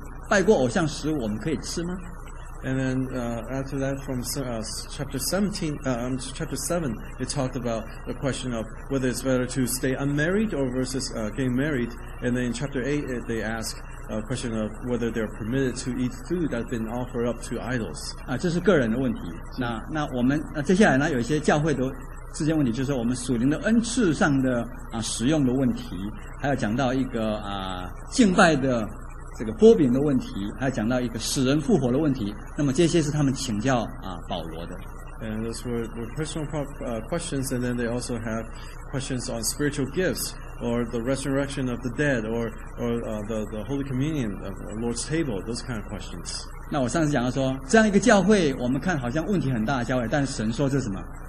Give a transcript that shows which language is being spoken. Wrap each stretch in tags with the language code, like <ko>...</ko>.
<zh>有关结婚的问题在第七章，那第八章就讲到说，偶像的食物，拜过偶像食物，我们可以吃吗？</zh> <en>And then after that, from chapter seven, it talked about the question of whether it's better to stay unmarried or versus getting married. And then in chapter 8, they ask a question of whether they're permitted to eat food that's been offered up to idols.</en> <zh>这是个人的问题。那我们接下来呢，有一些教会都。这些问题就是我们属灵的恩赐上的使用的问题，还有讲到一个敬拜的这个波饼的问题，还有讲到一个使人复活的问题。那么这些是他们请教保罗的。And</zh> <en>those were personal questions, and then they also have questions on spiritual gifts, or the resurrection of the dead, or the Holy Communion of the Lord's table, those kind of questions.</en> <zh>那我上次讲到说，这样一个教会，我们看好像问题很大的教会，但是神说这是什么？</zh>